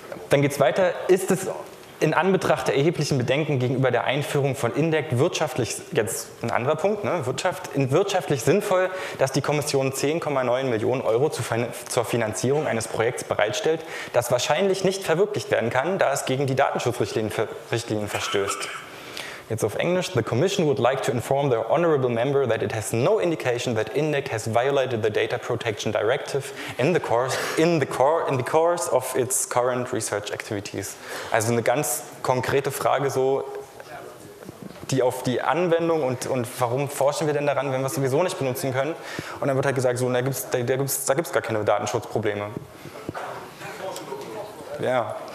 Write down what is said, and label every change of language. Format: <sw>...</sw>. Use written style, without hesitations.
<de>Dann geht es weiter. Ist es in Anbetracht der erheblichen Bedenken gegenüber der Einführung von INDEC wirtschaftlich, jetzt ein anderer Punkt, ne, wirtschaftlich sinnvoll, dass die Kommission 10,9 Millionen Euro zur Finanzierung eines Projekts bereitstellt, das wahrscheinlich nicht verwirklicht werden kann, da es gegen die Datenschutzrichtlinien verstößt? Jetzt auf Englisch:</de> <en>The Commission would like to inform the Honorable Member that it has no indication that INDEC has violated the Data Protection Directive in the course of its current research activities.</en> <de>Also eine ganz konkrete Frage so, die auf die Anwendung und warum forschen wir denn daran, wenn wir es sowieso nicht benutzen können? Und dann wird halt gesagt, so, da gibt's gar keine Datenschutzprobleme. Ja.</de>